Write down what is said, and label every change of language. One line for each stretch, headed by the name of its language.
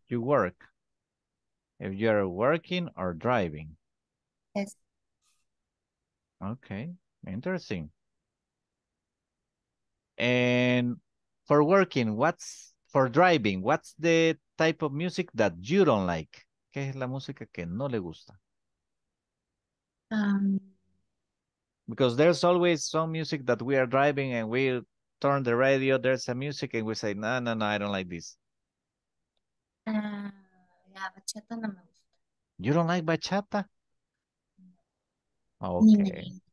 English: you work. If you're working or driving. Yes. Okay, interesting. And for working, what's for driving, what's the type of music that you don't like?
Spanish: ¿Qué es la música que no le gusta?
English: Because there's always some music that we are driving and we turn the radio, there's a music and we say, no, no, no, I don't like this.
Spanish: La bachata no me gusta.
English: You don't like bachata? Okay.